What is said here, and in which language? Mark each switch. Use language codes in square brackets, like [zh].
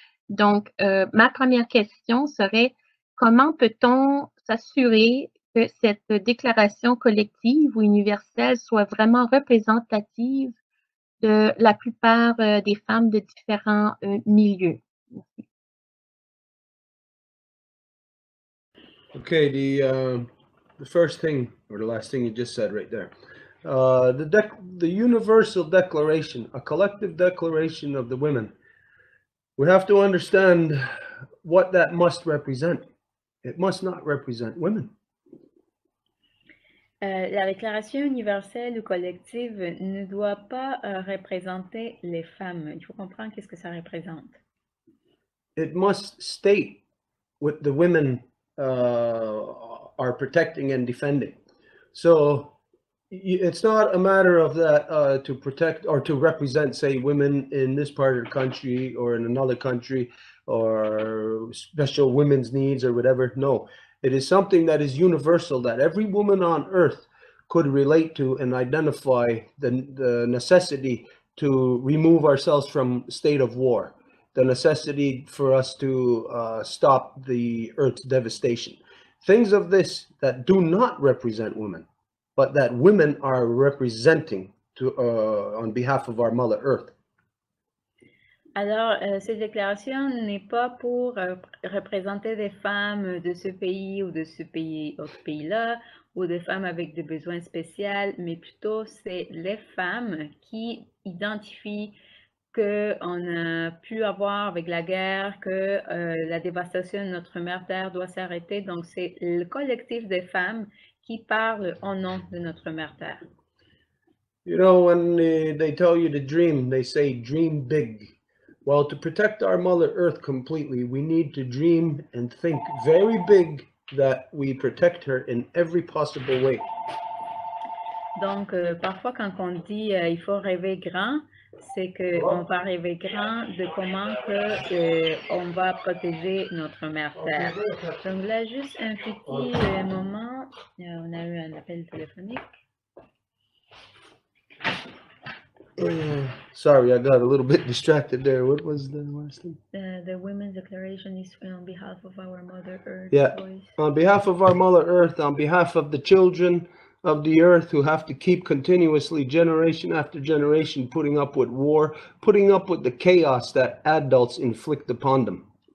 [fr] Donc, ma première question serait, comment peut-on s'assurer que cette déclaration collective ou universelle soit vraiment représentative de la plupart des femmes de différents milieux? [en] Okay, the first thing, or the last thing you just said right there. the universal declaration, a collective declaration of the women. We have to understand what that must represent. It must not represent women. [fr] La déclaration universelle ou collective ne doit pas représenter les femmes. Tu comprends qu'est-ce que ça représente? [en] It must state what the women are protecting and defending. So it's not a matter of that to protect or to represent, say, women in this part of the country or in another country or special women's needs or whatever. No. It is something that is universal that every woman on earth could relate to and identify the necessity to remove ourselves from state of war, the necessity for us to stop the earth's devastation. Things of this that do not represent women, but that women are representing to on behalf of our mother earth. [fr] Alors, cette déclaration n'est pas pour représenter des femmes de ce pays ou de ce pays, autre pays-là, ou des femmes avec des besoins spéciaux, mais plutôt c'est les femmes qui identifient qu'on a pu avoir avec la guerre, que la dévastation de notre mère terre doit s'arrêter. Donc, c'est le collectif des femmes qui parle au nom de notre mère terre. [en] You know, when they tell you to dream, they say dream big. Well, to protect our Mother Earth completely, we need to dream and think very big that we protect her in every possible way. [fr] Donc, parfois quand on dit il faut rêver grand, c'est qu'on va rêver grand de comment que, on va protéger notre mère terre. Donc là, juste un petit moment, on a eu un appel téléphonique. [en] Sorry, I got a little bit distracted there. What was the last thing? The Women's Declaration is on behalf of our Mother Earth. Yeah, voice. On behalf of our Mother Earth, on behalf of the children of the Earth who have to keep continuously generation after generation putting up with war, putting up with the chaos that adults inflict upon them.